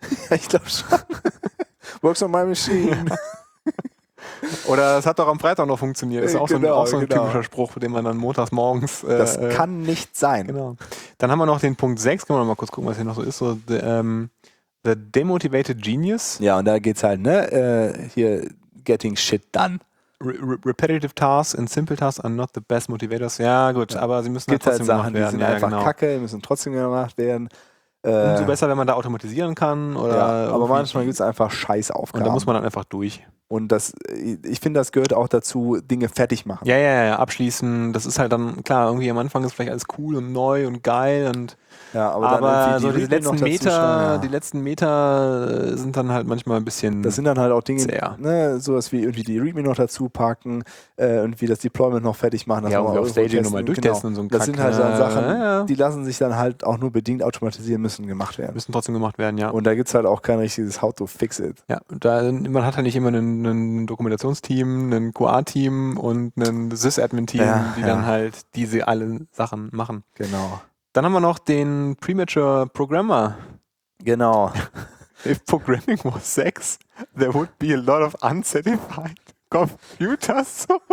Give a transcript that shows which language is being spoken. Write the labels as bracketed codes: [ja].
[de] Ich glaube schon. [en] Works on my machine. [de] Ja. Oder es hat doch am Freitag noch funktioniert. Das ist auch so ein typischer Spruch, den man dann montags morgens... Das kann nicht sein. Genau. Dann haben wir noch den Punkt 6. Können wir mal kurz gucken, was hier noch so ist. [en] So, the demotivated genius. [de] Ja, und da geht's halt, ne? Hier, [en] getting shit done. Repetitive tasks and simple tasks are not the best motivators. [de] Ja, gut, ja. Aber sie müssen halt trotzdem gemacht werden. Die sind einfach kacke, die müssen trotzdem gemacht werden. Umso besser, wenn man da automatisieren kann. Oder ja, aber manchmal gibt es einfach scheiß Aufgaben. Und da muss man dann einfach durch. Und das, ich finde, das gehört auch dazu, Dinge fertig machen. Ja, ja, ja, abschließen. Das ist halt dann, klar, irgendwie am Anfang ist vielleicht alles cool und neu und geil. Und, ja, aber dann so die letzten Meter, stehen, ja. Die letzten Meter sind dann halt manchmal ein bisschen. Das sind dann halt auch Dinge, ne, sowas wie irgendwie die Readme noch dazu packen, irgendwie das Deployment noch fertig machen. Das ja, auch auf Staging nochmal durchtesten genau. Und so ein Kack. Das sind halt so Sachen, die lassen sich dann halt auch nur bedingt automatisieren müssen, gemacht werden. Müssen trotzdem gemacht werden, ja. Und da gibt es halt auch kein richtiges How to fix it. Ja, da, man hat halt nicht immer ein Dokumentationsteam, ein QA-Team und ein Sys-Admin-Team, ja, die dann halt diese alle Sachen machen. Genau. Dann haben wir noch den Premature Programmer. Genau. [en] If programming was sex, there would be a lot of unsatisfied computers.